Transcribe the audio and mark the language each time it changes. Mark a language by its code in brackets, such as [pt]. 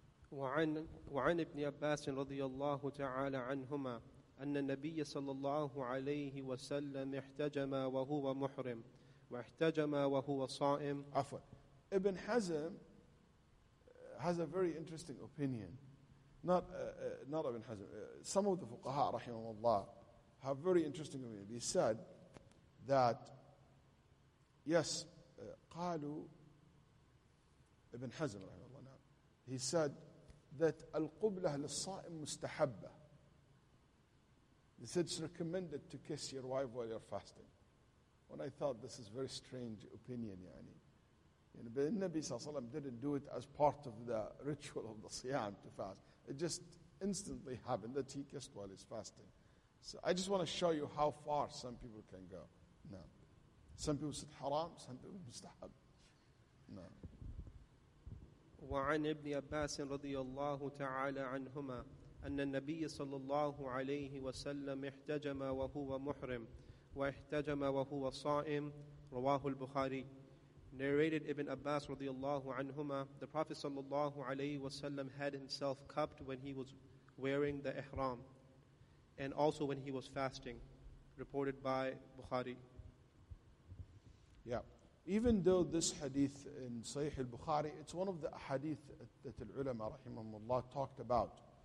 [ar] وعن ابن عباس رضي الله تعالى عنهما أن النبي صلى الله عليه وسلم احتجم وهو محرم واحتجم وهو صائم. عفوا. [en] Ibn Hazm has a very interesting opinion. Not Ibn Hazm. Some of the fuqaha rahimahullah have very interesting opinion. They said that yes, قالوا Ibn Hazm rahimahullah. He said that al-qubla lil-sa'im mustahabba. They said it's recommended to kiss your wife while you're fasting. When I thought this is a very strange opinion, yani. You know, but the Nabi sallallahu alayhi wa sallam didn't do it as part of the ritual of the siyam to fast. It just instantly happened that he kissed while he's fasting. So I just want to show you how far some people can go. No. Some people said haram, some people mustahab. No. [ar] وعن ابن عباس رضي الله تعالى عنهما أن النبي صلى الله عليه وسلم احتجم وهو محرم واحتجم وهو صائم رواه البخاري. [en] Narrated Ibn Abbas radiallahu anhumah, the Prophet sallallahu alayhi wasallam had himself cupped when he was wearing the ihram, and also when he was fasting, reported by Bukhari. Yeah. Even though this hadith in Sahih al-Bukhari, it's one of the hadith that al-ulama rahimahumullah talked about.